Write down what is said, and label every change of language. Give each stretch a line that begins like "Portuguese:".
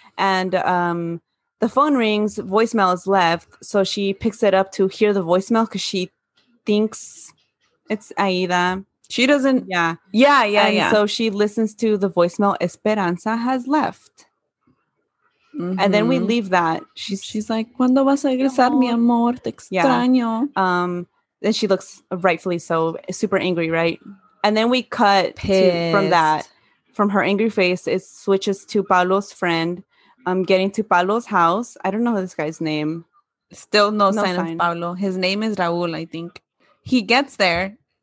English: And, the phone rings, voicemail is left, so she picks it up to hear the voicemail because she thinks it's Aida. She doesn't. Yeah. Yeah, yeah, and yeah. So she listens to the voicemail, Esperanza has left. Mm-hmm. And then we leave that. She's like,
Spanish: ¿Cuándo vas a regresar, mi amor? Te extraño.
English: Yeah. And she looks rightfully so, super angry, right? And then we cut from that, from her angry face. It switches to Paolo's friend getting to Paolo's house. I don't know this guy's name. Still no sign of Paolo. His name is Raul, I think. He gets there.